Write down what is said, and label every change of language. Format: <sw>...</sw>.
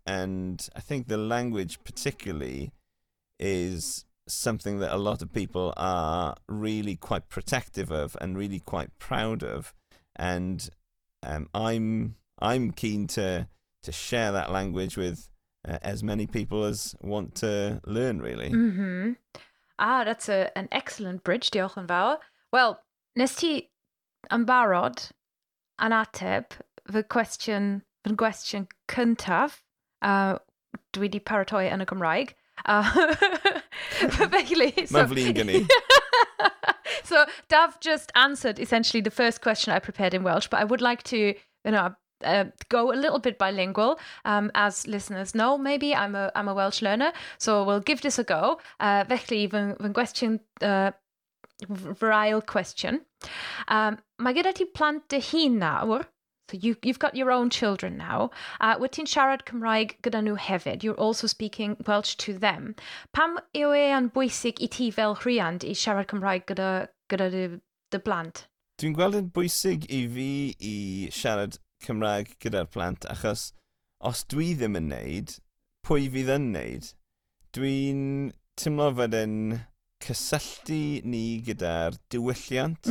<en>And I think the language particularly is something that a lot of people are really quite protective of and really quite proud of. And I'm keen to share that language with as many people as want to learn, really. Mm-hmm. Ah, that's an excellent bridge,</en> <cy>diolch yn fawr. Well, nes ti yn barod an ateb fy gwestiwn cyntaf, dwi wedi paratoi yn y Gymraeg. Mae'n flin gynni.</cy> <en>So, Daf just answered essentially the first question I prepared in Welsh, but I would like to, you know, go a little bit bilingual. As listeners know, maybe I'm a Welsh learner, so we'll give this a go.</en> <cy>Felly, fy'n gwestiwn, fyrail question. Mae gyda ti plant dy hun nawr,</cy> <en>so you've got your own children now.</en> <cy>Wyt ti'n siarad Cymraeg gyda nhw hefyd.</cy> <en>You're also speaking Welsh to them.</en> <cy>Pam yw e yn bwysig I ti fel rhiant I siarad Cymraeg gyda dy plant? Dwi'n gweld yn bwysig I fi I siarad Cymraeg gyda'r plant, achos os dwi ddim yn neud, pwy fydd yn neud? Dwi'n teimlo fod yn cysylltu ni gyda'r diwylliant.</cy>